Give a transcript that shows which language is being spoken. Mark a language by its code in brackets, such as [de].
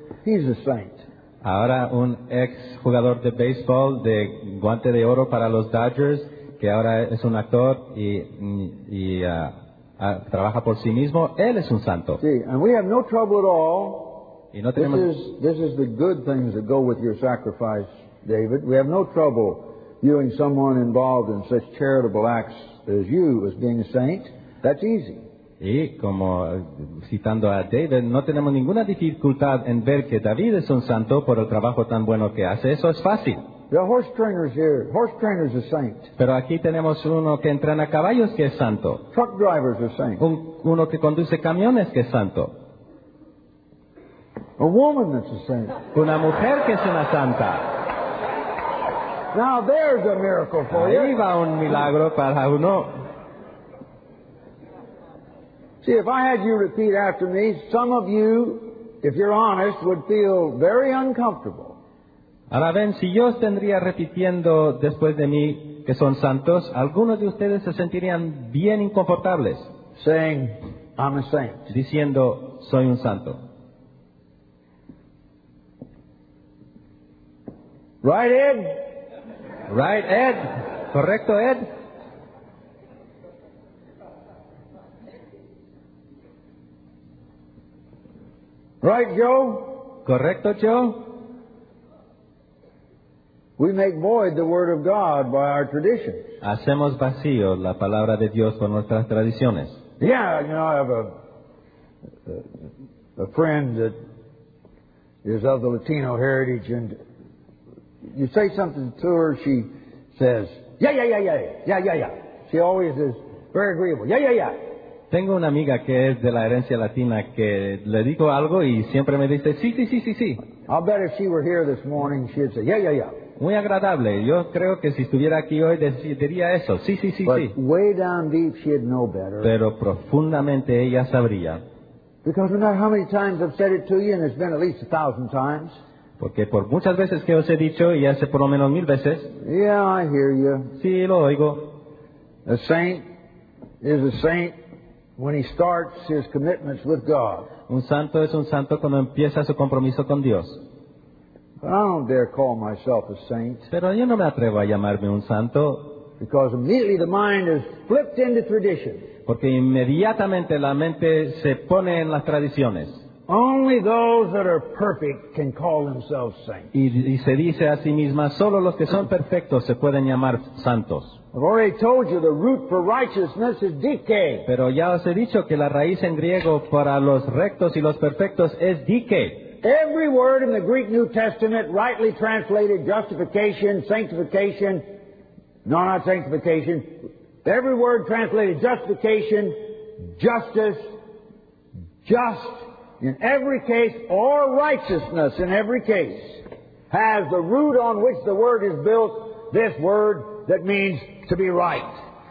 [en] He's a saint. [es] Ahora un ex jugador de béisbol de guante de oro para los Dodgers, que ahora es un actor y trabaja por sí mismo. Él es un santo. [en] Sí, and we have no trouble at all. [es] Y no tenemos... [en] this is the good things that go with your sacrifice, David. We have no trouble viewing someone involved in such charitable acts as you as being a saint. That's easy. [es] Y como citando a David, no tenemos ninguna dificultad en ver que David es un santo por el trabajo tan bueno que hace. Eso es fácil. [en] The horse trainer's here. Horse trainer's a saint. [es] Pero aquí tenemos uno que entrena caballos que es santo. [en] Truck driver's a saint. [es] Uno que conduce camiones que es santo. [en] A woman that's a saint. [es] Una mujer que es una santa. [en] Now there's a miracle for you. [es] Ahí va un milagro para uno. [en] See, if I had you repeat after me, some of you, if you're honest, would feel very uncomfortable. [es] Ahora ven, si yo estendría repitiendo después de mí que son santos, algunos de ustedes se sentirían bien inconfortables. [en] Saying, I'm a saint. [es] Diciendo, soy un santo. [en] Right, Ed? Right, Ed? [es] Correcto, Ed? [en] Right, Joe? [es] Correcto, Joe? [en] We make void the word of God by our traditions. [es] Hacemos vacío la palabra de Dios por nuestras tradiciones. [en] Yeah, you know, I have a friend that is of the Latino heritage, and you say something to her, she says, yeah, yeah, yeah, yeah, yeah, yeah, yeah. She always is very agreeable. Yeah, yeah, yeah. [es] Tengo una amiga que es de la herencia latina que le digo algo y siempre me dice, sí, sí, sí, sí, sí. [en] I'll bet if she were here this morning, she'd say, yeah, yeah, yeah. [es] Muy agradable. Yo creo que si estuviera aquí hoy, diría eso. Sí, sí, sí, [en] but [es] sí. [en] Way down deep, she'd know better. [es] Pero profundamente ella sabría. [en] Because no matter how many times I've said it to you, and it's been at least 1,000 times. [es] Porque por muchas veces que os he dicho, y hace por lo menos 1,000 veces. [en] Yeah, I hear you. [es] Sí, lo oigo. [en] A saint is a saint when he starts his commitments with God. [es] Un santo es un santo cuando empieza su compromiso con Dios. [en] But I don't dare call myself a saint. [es] Pero yo no me atrevo a llamarme un santo. [en] Because immediately the mind is flipped into tradition. [es] Porque inmediatamente la mente se pone en las tradiciones. [en] Only those that are perfect can call themselves saints. [es] Y se dice a sí misma, solo los que son perfectos se pueden llamar santos. [en] I've already told you the root for righteousness is dike. [es] Pero ya os he dicho que la raíz en griego para los rectos y los perfectos es dike. [en] Every word in the Greek New Testament, rightly translated, justification, sanctification, no, not sanctification, every word translated, justification, justice, just, in every case, or righteousness in every case, has the root on which the word is built, this word that means to be right.